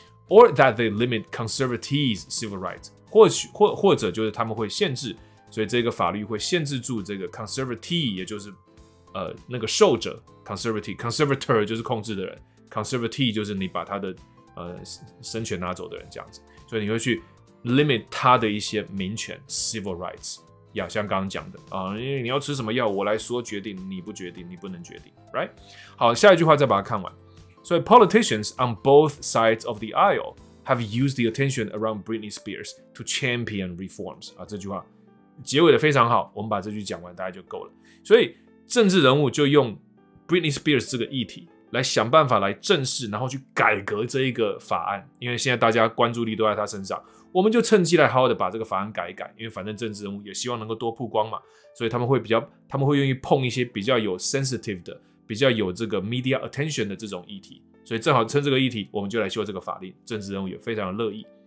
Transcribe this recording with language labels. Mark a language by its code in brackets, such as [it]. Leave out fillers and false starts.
[zh] Or that they limit conservatives' civil rights，或者就是他们会限制，所以这个法律会限制住这个 conservative， 也就是那个受者 conservator 就是控制的人 ，conservative 就是你把他的生权拿走的人这样子。所以你会去 limit 他的一些民权 civil rights， 呀，像刚刚讲的啊，因为你要吃什么药，我来说决定，你不决定，你不能决定， right？好，下一句话再把它看完。 [en] 所以 politicians on both sides of the aisle have used the attention around Britney Spears to champion reforms。 [zh] 啊，这句话结尾的非常好，我们把这句讲完大概就够了。所以政治人物就用 Britney Spears 这个议题，来想办法来正视，然后去改革这一个法案，因为现在大家关注力都在他身上，我们就趁机来好好的把这个法案改一改，因为反正政治人物也希望能够多曝光嘛，所以他们会愿意碰一些比较有 sensitive 的、比较有这个 media attention 的这种议题，所以正好趁这个议题，我们就来修这个法令，政治人物也非常的乐意。